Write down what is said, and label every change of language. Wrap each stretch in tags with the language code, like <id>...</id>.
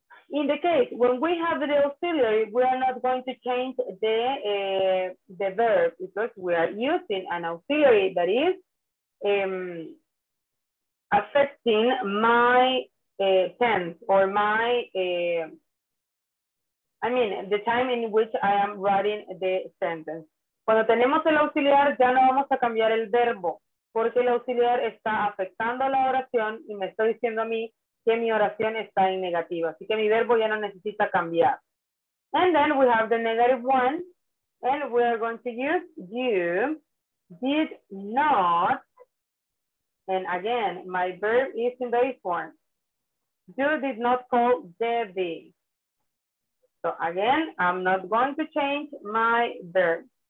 <en>In the case, when we have the auxiliary, we are not going to change the verb because we are using an auxiliary that is affecting my tense or my, I mean, the time in which I am writing the sentence.</en> <es>Cuando tenemos el auxiliar, ya no vamos a cambiar el verbo, porque el auxiliar está afectando la oración y me está diciendo a mí que mi oración está en negativa. Así que mi verbo ya no necesita cambiar.</es> <en>And then we have the negative one, and we are going to use you did not, and again, my verb is in base form. You did not call Debbie. So again, I'm not going to change my verb.</en>